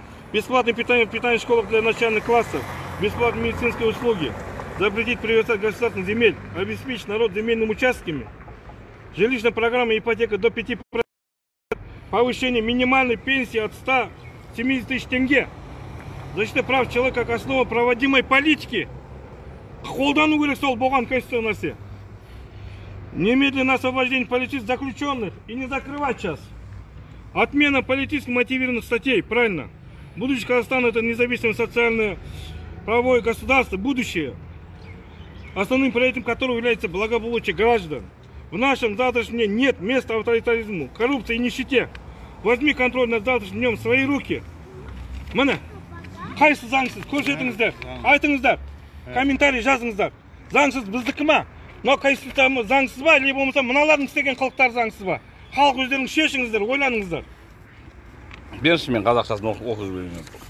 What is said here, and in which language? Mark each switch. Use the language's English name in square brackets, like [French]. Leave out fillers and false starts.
[Russian] Бесплатное питание в питание школах для начальных классов, бесплатные медицинские услуги, запретить приватизацию государственных земель, обеспечить народ земельными участками, жилищная программа ипотека до 5%, повышение минимальной пенсии от 170 тысяч тенге, защита прав человека как основа проводимой политики. [Kazakh] Холдану керек сол болған конституциясы. [Russian] Немедленное освобождение политических заключенных и не закрывать сейчас. Отмена политически мотивированных статей, правильно. Будущий Казахстан это независимое социальное правовое государство, будущее, основным проектом которого является благополучие граждан. В нашем завтрашнем дне нет места авторитаризму, коррупции и нищете. Возьми контроль над завтрашним днем в свои руки. [Kazakh] Мене, кайсы заңсыз, көрсетіңіздер, айтыңыздар, комментарий жазыңыздар. Заңсыз біздікі ма? Но конституциямыз заңсыз ба, или болмаса мыналардың істеген қылықтары заңсыз ба? Халық өздеріңіз шешіңіздер, ойланыңыздар. Берші мен қазақшасын оқып жіберейін.